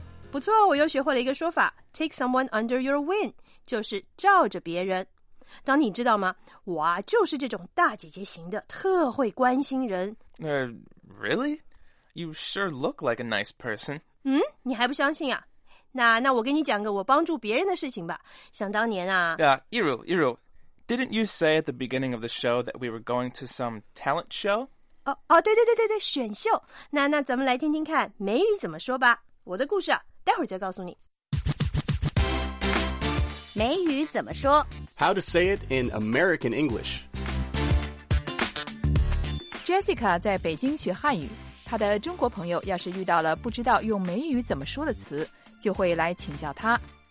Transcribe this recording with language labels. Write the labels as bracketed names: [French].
[Chinese] 不错，我又学会了一个说法 [English] take someone under your wing， [Chinese] 就是罩着别人。当你知道吗，我啊就是这种大姐姐型的，特会关心人。 [English] Really? You sure look like a nice person. [Chinese] 嗯，你还不相信啊？那我给你讲个我帮助别人的事情吧。想当年啊。 [English] Iru, didn't you say at the beginning of the show that we were going to some talent show? [Chinese] 对，选秀。那咱们来听听看美语怎么说吧。我的故事啊待会儿再告诉你。美语怎么说？ [English] How to say it in American English. [Chinese] Jessica 在北京学汉语，她的中国朋友要是遇到了不知道用美语怎么说的词，就会来请教她。